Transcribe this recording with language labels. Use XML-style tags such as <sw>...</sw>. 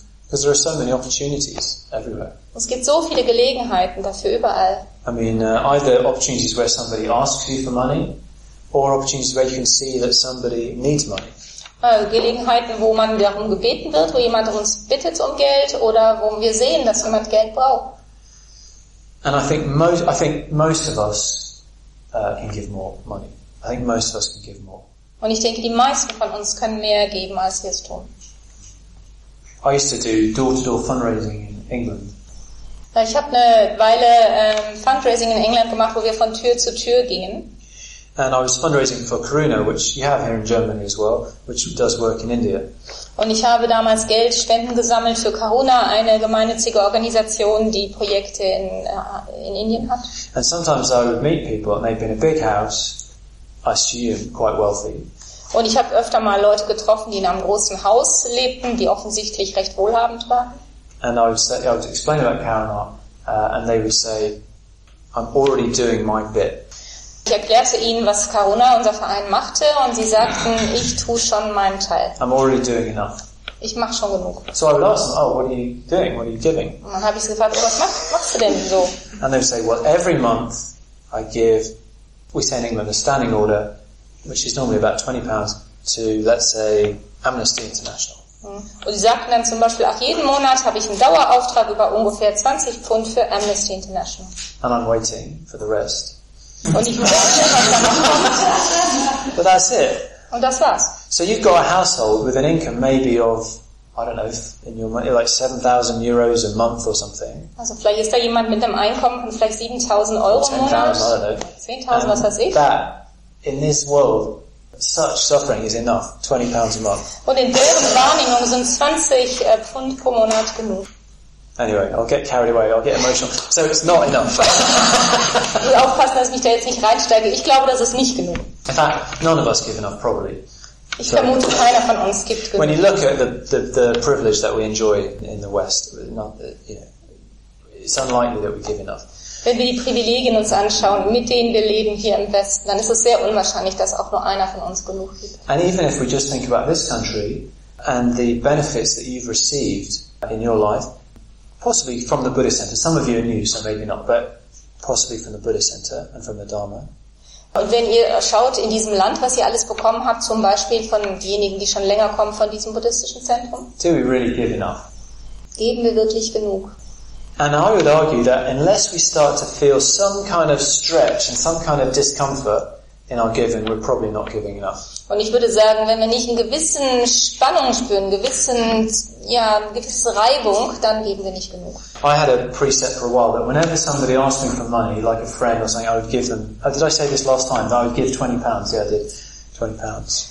<en>Because there are so many opportunities everywhere.</en> <de>Es gibt so viele Gelegenheiten dafür überall.</de> <en>I mean, either opportunities where somebody asks you for money, or opportunities where you can see that somebody needs money.</en> <de>Gelegenheiten, wo man darum gebeten wird, wo jemand uns bittet um Geld, oder wo wir sehen, dass jemand Geld braucht.</de> <en>And I think most of us can give more money. I think most of us can give more.</en> <de>Und ich denke, die meisten von uns können mehr geben, als wir es tun.</de> <en>I used to do door-to-door fundraising in England.</en> <de>Ich habe eine Weile Fundraising in England gemacht, wo wir von Tür zu Tür gingen.</de> <en>And I was fundraising for Karuna, which you have here in Germany as well, which does work in India.</en> <de>Und ich habe damals Geld, Spenden gesammelt für Karuna, eine gemeinnützige Organisation, die Projekte in Indien hat.</de> <en>And sometimes I would meet people, and they'd been in a big house, I assume, quite wealthy.</en> <de>Und ich habe öfter mal Leute getroffen, die in einem großen Haus lebten, die offensichtlich recht wohlhabend waren.</de> <en>And I would explain about Karuna, and they would say, I'm already doing my bit.</en> <de>Ich erklärte ihnen, was Karuna, unser Verein, machte, und sie sagten, ich tue schon meinen Teil.</de> <en>I'm already doing enough.</en> <de>Ich mache schon genug.</de> <en>So I lost. Oh, what are you doing? What are you giving?</en> <de>Und dann habe ich sie gefragt, was machst du denn so?</de> <en>And they say, well, every month I give, we say in England, a standing order, which is normally about £20, to, let's say, Amnesty International.</en> <de>Und sie sagten dann zum Beispiel, ach, jeden Monat habe ich einen Dauerauftrag über ungefähr 20 Pfund für Amnesty International.</de> <en>And I'm waiting for the rest.</en> <de>Und ich warte, was dann kommt.</de> <en>But that's it.</en> <de>Und das war's.</de> <en>So you've got a household with an income maybe of, I don't know, in your money, like 7,000 euros a month or something.</en> <de>Also vielleicht ist da jemand mit einem Einkommen von vielleicht 7,000 Euro im Monat. 10,000, was weiß ich.</de> <en>That, in this world, such suffering is enough, £20 a month.</en> <de>Und in deren Wahrnehmung sind 20 Pfund pro Monat genug.</de> <en>Anyway, I'll get carried away, I'll get emotional. So it's not enough.</en> <de>Ich aufpassen, dass ich da jetzt nicht reinsteige. Ich glaube, das ist nicht genug.</de> <en>In fact, none of us give enough, probably.</en> <de>Ich vermute, keiner von uns gibt genug.</de> <en>When you look at the privilege that we enjoy in the West, not the, you know, it's unlikely that we give enough.</en> <de>Wenn wir die Privilegien uns anschauen, mit denen wir leben hier im Westen, dann ist es sehr unwahrscheinlich, dass auch nur einer von uns genug gibt.</de> <en>And even if we just think about this country and the benefits that you've received in your life, possibly from the Buddhist Center. Some of you are new, so maybe not, but possibly from the Buddhist Center and from the Dharma.</en> <de>Und wenn ihr schaut in diesem Land, was ihr alles bekommen habt, zum Beispiel von denjenigen, die schon länger kommen, von diesem buddhistischen Zentrum,</de> <en>do we really give enough?</en> <de>Geben wir wirklich genug?</de> <en>And I would argue that unless we start to feel some kind of stretch and some kind of discomfort in our giving, we're probably not giving enough.</en> <de>Und ich würde sagen, wenn wir nicht einen gewissen Spannung spüren, eine gewisse Reibung, dann geben wir nicht genug.</de> <en>I had a precept for a while that whenever somebody asked me for money, like a friend or something, I would give them. Did I say this last time? That I would give £20. Yeah, I did. £20.</en>